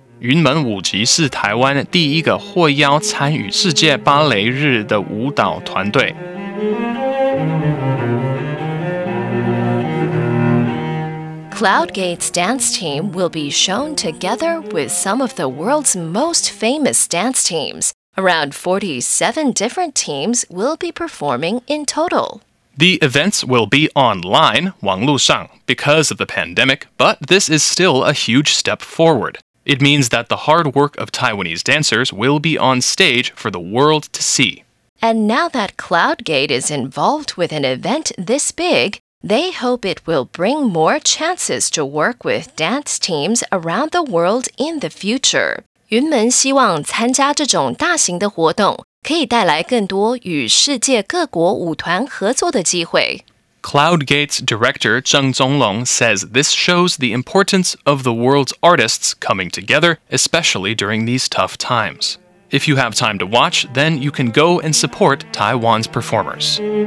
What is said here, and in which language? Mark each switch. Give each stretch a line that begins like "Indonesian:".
Chinese: 云门舞集是台湾第一个获邀参与世界芭蕾日的舞蹈团队。
English: Cloud Gate's dance team will be shown together with some of the world's most famous dance teams. Around 47 different teams will be performing in total. The events will be online,
Chinese: 网路上,
English: because of the pandemic, but this is still a huge step forward. It means that the hard work of Taiwanese dancers will be on stage for the world to see. And now that Cloud Gate is involved with an event this big, they hope it will bring more chances to work with dance teams around the world in the future.
Chinese: 云门希望参加这种大型的活动可以带来更多与世界各国舞团合作的机会。
English: Cloud Gate's director Cheng Tsung-lung says this shows the importance of the world's artists coming together, especially during these tough times. If you have time to watch, then you can go and support Taiwan's performers.